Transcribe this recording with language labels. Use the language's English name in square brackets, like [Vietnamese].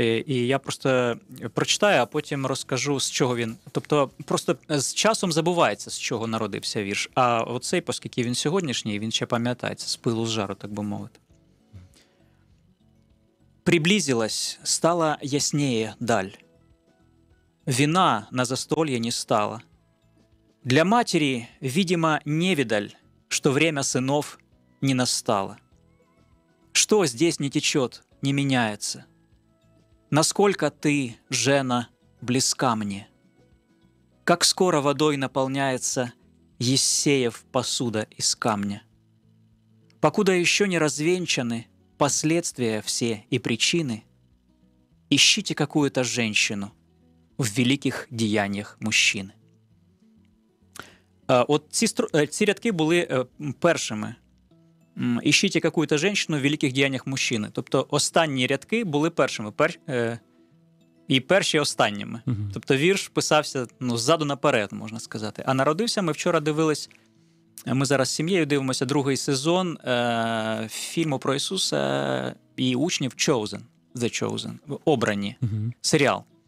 [Ukrainian] І я просто прочитаю, а потім розкажу, з чого він... Тобто, просто з часом забувається, з чого народився вірш. А оцей, оскільки він сьогоднішній, він ще пам'ятається, з пилу, з жару, так би мовити. [Russian] Приблизилась, стала яснее даль. Вина на застолье не стала. Для матері, видимо, невідаль, що время синов не настало. Что здесь не течет, не меняется? Насколько ты, жена, близка мне? Как скоро водой наполняется Ессеев посуда из камня? Покуда еще не развенчаны последствия все и причины, ищите какую-то женщину в великих деяниях мужчины. [Ukrainian] Вот ці рядки були першими. «Ищіть якусь жінку в великих діяннях мужчини». Тобто останні рядки були першими, і перші останніми. Uh-huh. Тобто вірш писався, ну, ззаду наперед, можна сказати. А народився, ми вчора дивились, ми зараз з сім'єю дивимося, другий сезон фільму про Ісуса і учнів «Chosen», «The Chosen», «Обрані», uh-huh. Серіал.